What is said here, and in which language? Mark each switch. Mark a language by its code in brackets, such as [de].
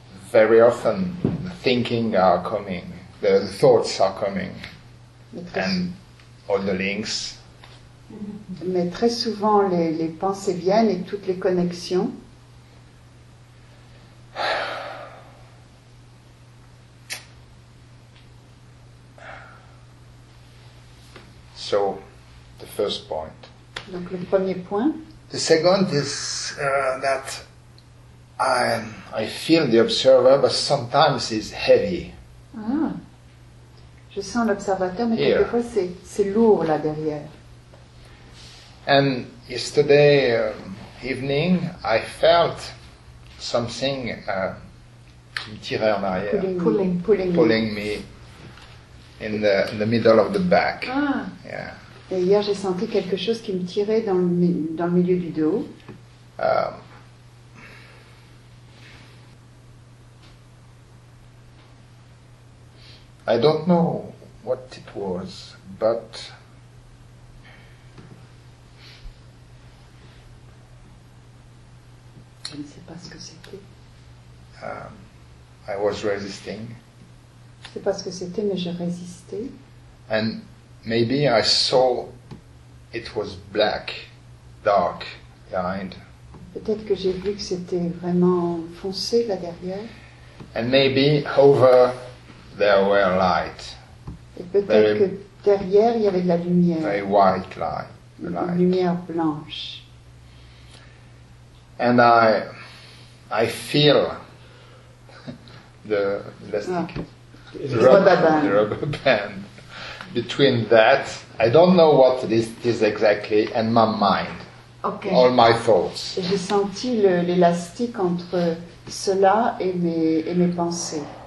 [en] Very often, the thinking are coming, the thoughts are coming, and all the links. [fr] Mais très souvent, les pensées viennent et toutes les connexions. [en] So, the first point. [fr] Donc le premier point. [en] The second is that I feel the observer, but sometimes it's heavy. [fr] Je sens l'observateur, mais quelquefois c'est lourd là derrière. [en] And yesterday evening, I felt something [fr] qui me tirait en arrière. [en] Pulling me in the middle of the back. Yeah. [fr] Et hier, j'ai senti quelque chose qui me tirait dans le milieu du dos. [en] I don't know what it was, but [fr] je ne sais pas ce que c'était. [en] I was resisting. [fr] Je ne sais pas ce que c'était, mais je résistais. [en] And maybe I saw it was black, dark behind. [fr] Peut-être que j'ai vu que c'était vraiment foncé là derrière. [en] And maybe over there were light. [fr] Et peut-être very, que derrière il y avait de la lumière. [en] Very white light. [fr] Une lumière blanche. [en] And I feel the elastic rubber band between that. I don't know what this is exactly, and my mind. Okay. All my thoughts. [fr] J'ai senti l'élastique entre cela et mes pensées.